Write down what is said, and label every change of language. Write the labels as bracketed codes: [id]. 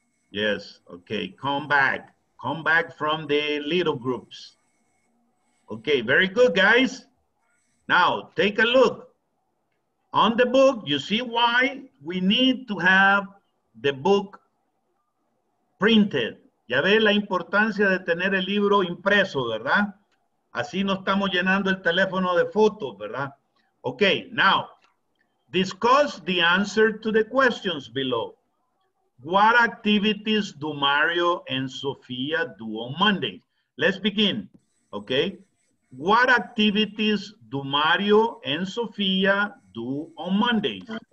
[en] Yes, okay, come back. Come back from the little groups. Okay, very good, guys. Now, take a look. On the book, you see why we need to have the book printed. [es] Ya ves la importancia de tener el libro impreso, ¿verdad? Así no estamos llenando el teléfono de fotos, ¿verdad? [en] Okay, now, discuss the answer to the questions below. What activities do Mario and Sofia do on Monday? Let's begin, okay? What activities do Mario and Sofia do on Mondays?